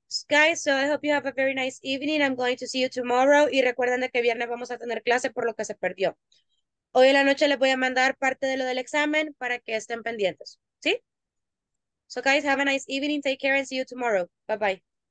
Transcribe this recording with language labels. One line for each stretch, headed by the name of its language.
English: Guys, so I hope you have a very nice evening. I'm going to see you tomorrow.
Spanish: Y recuerden de que viernes vamos a tener clase por lo que se perdió. Hoy en la noche les voy a mandar parte de lo del examen para que estén pendientes. ¿Sí?
English: So, guys, have a nice evening. Take care and see you tomorrow. Bye-bye.